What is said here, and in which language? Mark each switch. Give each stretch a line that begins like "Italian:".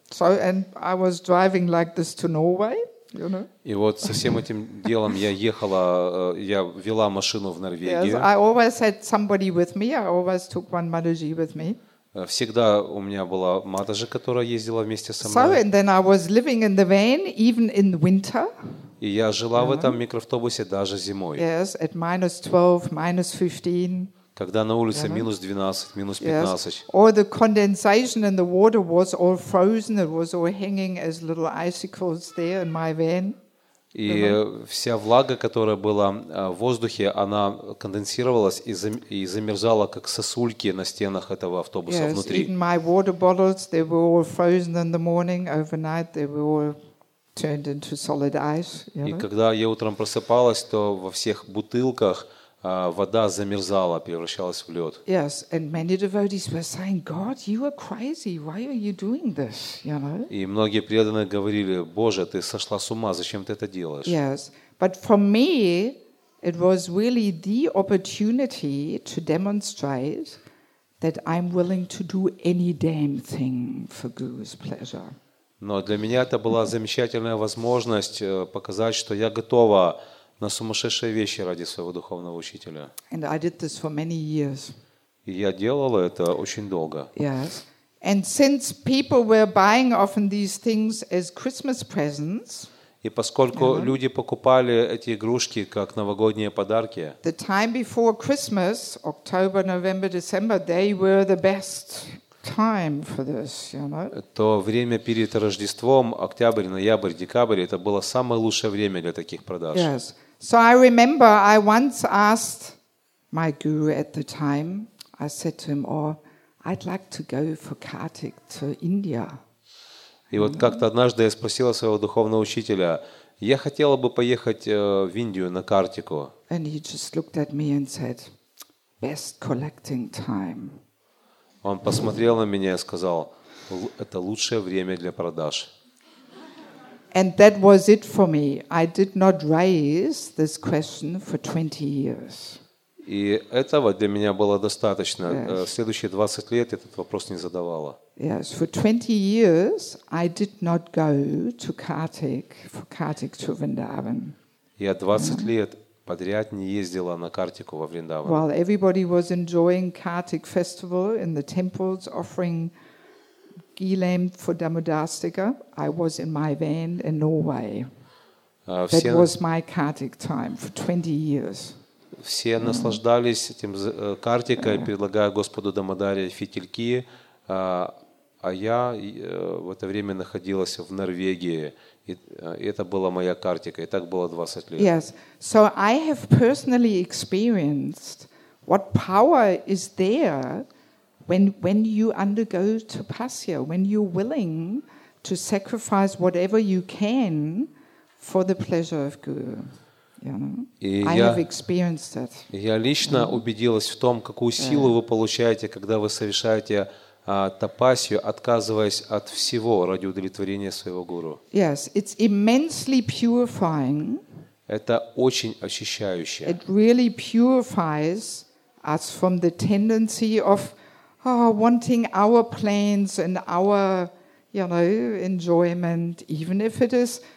English: So and I was driving like this to Norway, you know.
Russian: И вот со всем этим делом я ехала, я вела машину в Норвегию.
English: Yes, I always had somebody with me. I always took one Mataji with me.
Russian: Всегда у меня была Матаджи, которая ездила вместе со мной.
English: So and then I was living in the van even in winter.
Russian: И я жила в этом микроавтобусе даже зимой.
English: Yes, at -12, -15.
Russian: Когда на улице -12, -15.
English: Yes. All the condensation in the water was all frozen. It was all hanging as little icicles there in my van.
Russian: И вся влага, которая была в воздухе, она конденсировалась и замерзала, как сосульки на стенах этого автобуса
English: yes,
Russian: внутри.
English: Yes, even my water bottles, they were all frozen in the morning, overnight, they were all turned into solid ice. You know?
Russian: И когда я утром просыпалась, то во всех бутылках вода замерзала, превращалась в лед.
English: Yes, and many devotees were saying, "God, you are crazy. Why are you doing this?" You know.
Russian: И многие преданные говорили: "Боже, ты сошла с ума. Зачем ты это делаешь?"
English: Yes, but for me, it was really the opportunity to demonstrate that I'm willing to do any damn thing for Guru's pleasure.
Russian: Но для меня это была замечательная возможность показать, что я готова на сумасшедшие вещи ради своего духовного учителя.
English: And I did this for many years.
Russian: И я делала это очень долго.
English: Yes. And since people were buying often these things as Christmas presents,
Russian: и поскольку люди покупали эти игрушки как новогодние подарки,
English: the time before Christmas, October, November, December, they were the best time for this, you know.
Russian: То время перед Рождеством, октябрь, ноябрь, декабрь, это было самое лучшее время для таких продаж.
English: Yes. So I remember I once asked my guru at the time, I said to him, "Oh, I'd like to go for Kartik to India."
Russian: И вот как-то однажды я спросила своего духовного учителя: "Я хотела бы поехать в Индию на Картику."
English: And he just looked at me and said, "Best collecting time."
Russian: Он посмотрел на меня и сказал: "Это лучшее время для продаж."
English: And that was it for me. I did not raise this question for 20 years.
Russian: И этого для меня было достаточно.
English: Yes.
Russian: Следующие 20 лет этот вопрос не задавала.
English: Yes, for 20 years I did not go to Kartik, for Kartik to Vrindavan.
Russian: Я 20 лет подряд не ездила на Картику во Вриндаван.
English: While everybody was enjoying Kartik festival in the temples offering Gilam for Damodastika, I was in my van in Norway. That was my Kartik time for 20 years.
Russian: Все наслаждались этим Картикой, предлагая Господу Дамодаре фитильки, а я в это время находилась в Норвегии. И это была моя Картика, и так было 20 лет.
English: Yes, so I have personally experienced what power is there when you undergo tapasya, when you're willing to sacrifice whatever you can for the pleasure of Guru. You know? I have experienced it.
Russian: Я лично убедилась в том, какую силу вы получаете, когда вы совершаете тапасью, отказываясь от всего ради удовлетворения своего гуру.
English: Yes, it's immensely purifying.
Russian: Это очень очищающе.
English: It really purifies us from the tendency of wanting our plans and our, you know, enjoyment, even if it is